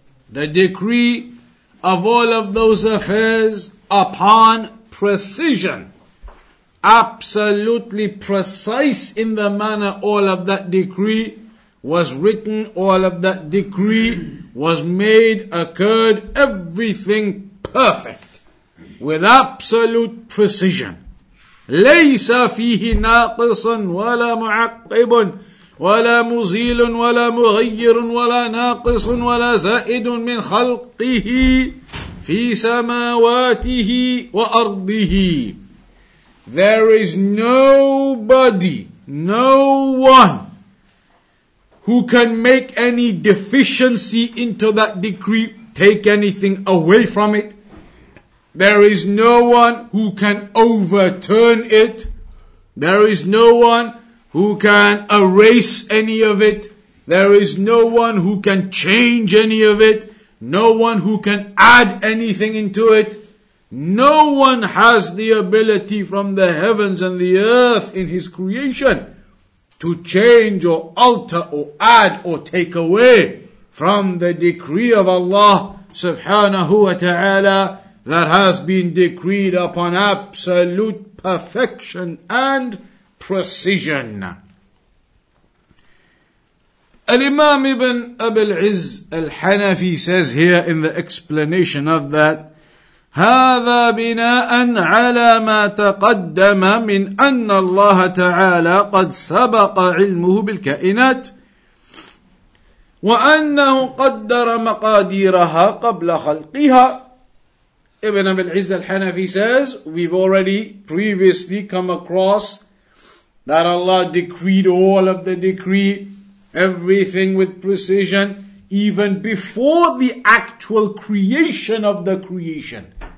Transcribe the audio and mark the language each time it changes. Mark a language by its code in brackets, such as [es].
[en] The decree of all of those affairs upon precision, absolutely precise in the manner all of that decree was written, all of that decree was made, occurred, everything perfect, with absolute precision. [ar] لَيْسَ فِيهِ نَاقِصٌ وَلَا مُعَقِّبٌ. ولا مزيل ولا مغير ولا ناقص ولا زائد من خلقه في سماواته وأرضه. [en] There is nobody, no one, who can make any deficiency into that decree, take anything away from it. There is no one who can overturn it. There is no one who can erase any of it. There is no one who can change any of it. No one who can add anything into it. No one has the ability from the heavens and the earth in his creation to change or alter or add or take away from the decree of Allah subhanahu wa ta'ala that has been decreed upon absolute perfection and precision. Al-Imam ibn Abi al-Izz al-Hanafi says here in the explanation of that, [ar] هذا بناء على ما تقدم من أن الله تعالى قد سبق علمه بالكائنات وأنه قدر مقاديرها قبل خلقها. [en] Ibn Abi al-Izz al-Hanafi says, we've already previously come across that Allah decreed all of the decree, everything with precision, even before the actual creation of the creation.